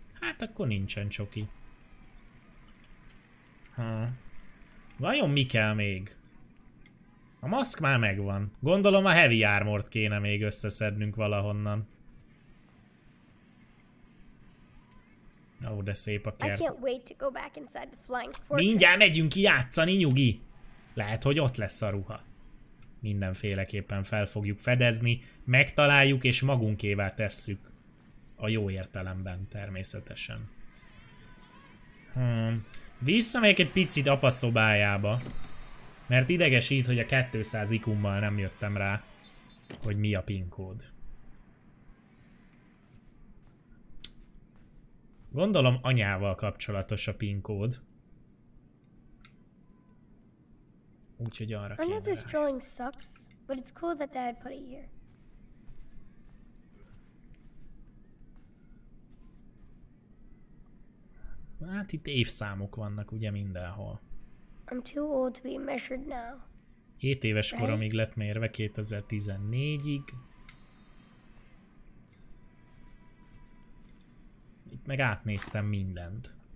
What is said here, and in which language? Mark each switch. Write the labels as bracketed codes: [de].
[hu] Hát akkor nincsen csoki. Vajon mi kell még? A maszk már megvan. Gondolom a heavy armort kéne még összeszednünk valahonnan. Ó, de szép a kert. [en] I can't wait to go back inside the flying fortress. [hu] Mindjárt megyünk ki játszani, nyugi! Lehet, hogy ott lesz a ruha. Mindenféleképpen fel fogjuk fedezni, megtaláljuk és magunkévá tesszük. A jó értelemben, természetesen. Visszamegyek egy picit apa szobájába. Mert idegesít, hogy a 200 IQ-mmal nem jöttem rá, hogy mi a PIN kód. Gondolom anyával kapcsolatos a PIN kód. Úgyhogy arra kéne. [en] I know this drawing sucks, but it's cool that dad put it here. [hu] Hát itt évszámok vannak ugye mindenhol. [en] I'm too old to be measured now. [hu] 7 éves koromig lett mérve 2014-ig. Itt meg átnéztem mindent.